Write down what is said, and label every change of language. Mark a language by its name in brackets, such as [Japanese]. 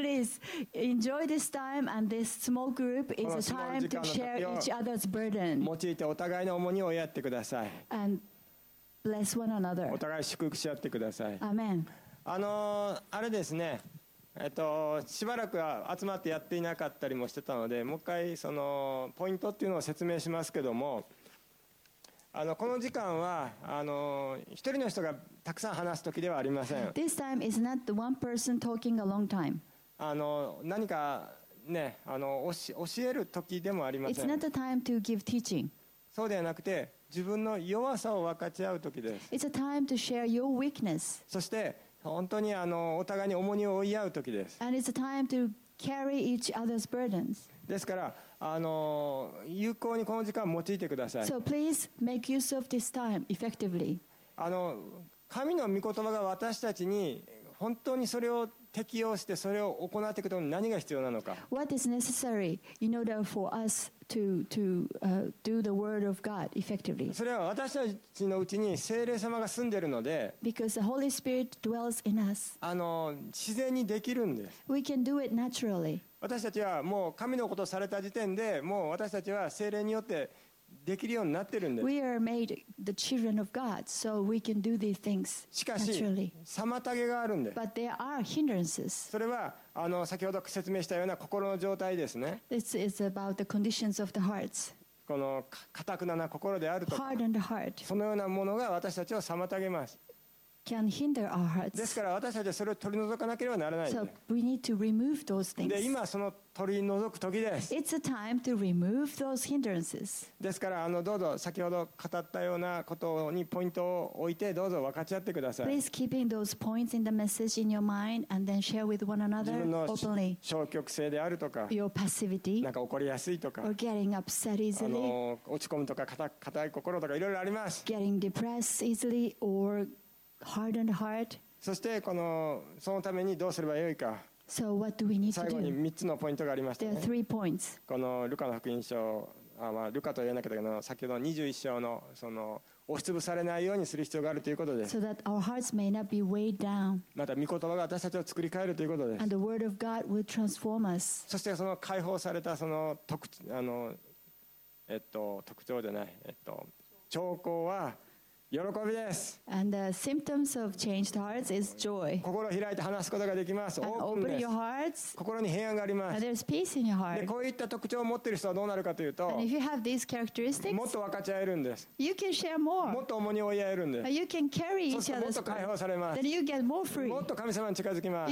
[English] Yes, please enjoy this time and this small group is a time to share each other's burden. [Japanese] 用いてお互いの重荷をやってください。 [English] And bless one another. [Japanese] お互い祝福し合ってください。アメン。あれですね、しばらくは集まってやっていなかったりもしてたので、もう一回そのポイントっていうのを説明しますけども、この時間は一人の人がたくさん話す時ではありません。 [English] This time is not the one person talking a long time. [Japanese] 何かね、教える時でもありません。 [English] It's not the time to give teaching. [Japanese] そうではなくて、自分の弱さを分かち合う時です。 [English] It's a time to share your weakness. [Japanese] そして本当にお互いに重荷を追い合う時です。 [English] And it's a time to carry each other's burdens. [Japanese] ですから有効にこの時間を用いてください。 [English] So please make use of this time effectively. [Japanese] 神の御言葉が私たちに本当にそれを適用してそれを行っていくために何が必要なのか。 [English] What is necessary in order for us to do the word of God effectively? [Japanese] それは私たちのうちに聖霊様が住んでいるので、 [English] Because the Holy Spirit dwells in us. [Japanese] 自然にできるんです。 [English] We can do it naturally. [Japanese] 私たちはもう神のことをされた時点で、もう私たちは聖霊によってできるようになってるんです。 [English] We are made the children of God, so we can do these things naturally. [Japanese] しかし妨げがあるんです。 [English] But there are hindrances. [Japanese] それは先ほど説明したような心の状態ですね。 [English] This is about the conditions of the hearts. [Japanese] この硬くなな心であるとか、 [English] Hardened heart. [Japanese] そのようなものが私たちを妨げます。 [English] Can hinder our hearts. [Japanese] ですから私たちはそれを取り除かなければならない。 [English] So we need to remove those things. [Japanese] で、今その取り除く時です。 [English] It's a time to remove those hindrances. [Japanese] ですから、どうぞ先ほど語ったようなことにポイントを置いて、どうぞ分かち合ってください。 [English] Please keep in those points in the message in your mind and then share with one another openly. [Japanese] 自分の消極性であるとか、 [English] your passivity, [Japanese] なんか怒りやすいとか、 [English] or getting upset easily, [Japanese] 落ち込むとか硬い心とか、いろいろあります。 [English] getting depressed easily or hardened heart. [Japanese] そしてそのためにどうすればよいか。 [English] So what do we need to do? [Japanese] 最後に3つのポイントがありましたね。 [English] There are three points. [Japanese] このルカの福音書、ルカと言わなきゃいけないけど、先ほどの21章の押しつぶされないようにする必要があるということです。 [English] So that our hearts may not be weighed down. [Japanese] また御言葉が私たちを作り変えるということです。 [English] And the word of God will transform us. [Japanese] そしてその解放されたその特あの特徴じゃない兆候は喜びです。 [English] And the symptoms of changed hearts is joy. [Japanese] 心を開いて話すことができます。 [English] And open your hearts. [Japanese] 心に平安があります。 [English] And there's peace in your heart. [Japanese] でこういった特徴を持っている人はどうなるかというと、 [English] And if you have these characteristics, [Japanese] もっと分かち合えるんです。 [English] You can share more. [Japanese] もっと重荷を負い合えるんです。 [English] You can carry each other's burden. [Japanese] もっと解放されます。 [English] Then you get more free. [Japanese] もっと神様に近づきます。